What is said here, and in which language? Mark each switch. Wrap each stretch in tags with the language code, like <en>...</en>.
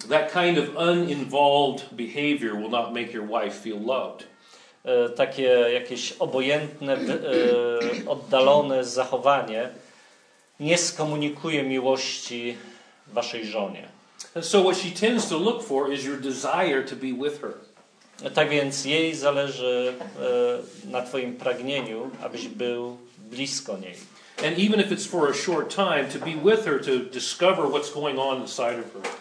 <en>That kind of uninvolved behavior will not make your wife feel loved.</en> <pl>Takie jakieś obojętne, oddalone zachowanie nie skomunikuje miłości waszej żonie.</pl> <en>And so what she tends to look for is your desire to be with her.</en> <pl>Tak więc jej zależy na twoim pragnieniu, abyś był blisko niej.</pl> <en>And even if it's for a short time, to be with her, to discover what's going on inside of her.</en>